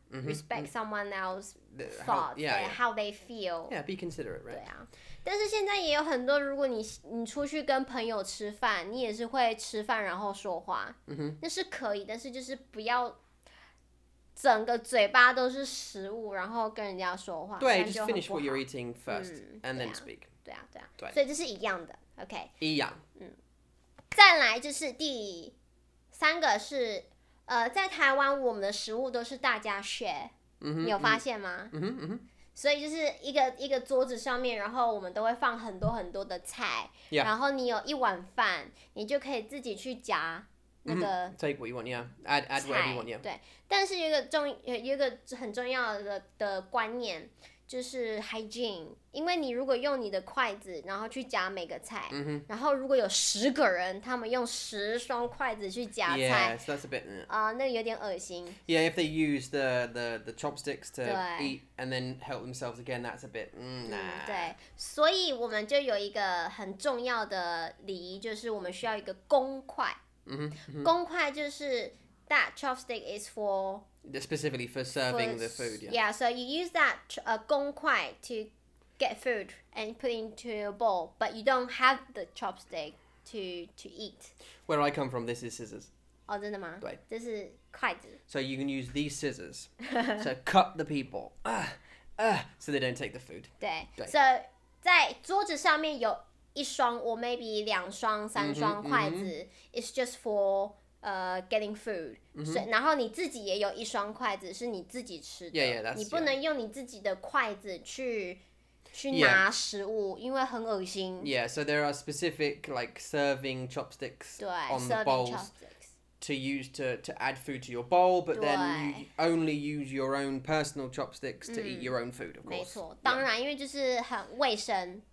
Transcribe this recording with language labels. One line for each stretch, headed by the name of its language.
English: Respect someone else's thought, how they feel. Yeah, be considerate, right?
Chinese: 对啊，但是现在也有很多，如果你出去跟朋友吃饭，你也是会吃饭然后说话。那是可以，但是就是不要。整个嘴巴都是食物，然后跟人家说话，
English: 对 ，just finish what you're eating first, and then speak.
Chinese: 对啊，对啊，对，所以这是一样的 ，OK。一样。再来就是第三个是，在台湾我们的食物都是大家 share，你有发现吗？所以就是一个桌子上面，然后我们都会放很多很多的菜，
English: yeah.
Chinese: 然后你有一碗饭，你就可以自己去夹。
English: Take what you want, yeah. Add whatever you want, yeah.
Chinese: 对，但是有一个很重要的观念就是 hygiene， 因为你如果用你的筷子然后去夹每个菜，然后如果有十个人他们用十双筷子去夹菜
English: ，Yes, that's a bit.
Chinese: 那个有点恶心。
English: Yeah, if they use the chopsticks to eat and then help themselves again, that's a bit.
Chinese: 对，所以我们就有一个很重要的礼仪，就是我们需要一个公筷。公筷就是
English: that chopstick is for specifically for serving the food. Yeah. Yeah. So you use that 公筷 to get food and put into a bowl, but you don't have the chopstick to eat. Where I come from, this is scissors.
Chinese: Oh, 真的吗？对，这是筷子。
English: So you can use these scissors to cut the people, so they don't take the food.
Chinese: 对。So 在桌子上面有。一双 or maybe 两双三双筷子
English: is just for getting food.
Chinese: 然后你自己也有一双筷子是你自己吃的。
English: Yeah, yeah, that's,
Chinese: 你不能用你自己的筷子去拿食物
English: yeah.
Chinese: 因为很恶心。
English: Yeah, so there are specific like serving chopsticks on serving bowls to use to add food to your bowl, but then you only use your own personal chopsticks to eat your own food, of course.
Chinese: 没错，当然因为就是很卫生。